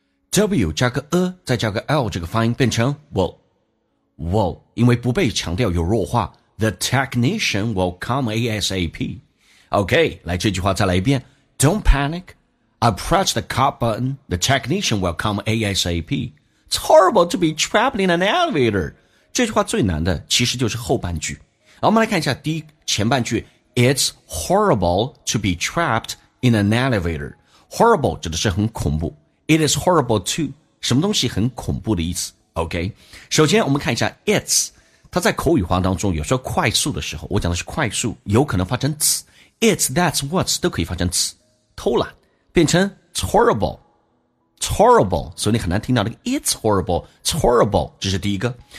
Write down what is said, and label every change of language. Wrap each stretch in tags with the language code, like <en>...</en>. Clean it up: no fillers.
<zh>W 加个 a 再加个 L， 这个发音变成 will， will， 因为不被强调有弱化。</zh> <en>The technician will come ASAP。 OK，</en> <zh>来这句话再来一遍。</zh> <en>Don't panic. I press the cut button. The technician will come ASAP. It's horrible to be trapped in an elevator.</en> <zh>这句话最难的其实就是后半句。好，我们来看一下第一前半句。</zh> <en>It's horrible to be trapped in an elevator.</en> <zh>Horrible 指的是很恐怖。</zh> <en>It is horrible to</en> <zh>什么东西很恐怖的意思。 OK， 首先我们看一下 it's， 它在口语化当中有时候快速的时候，我讲的是快速，有可能发成 ts。 It's that's what's 都可以发成 ts。偷懒变成 it's horrible。 It's horrible， 所以你很难听到那个 It's horrible， It's horrible， 这是第一个。</zh>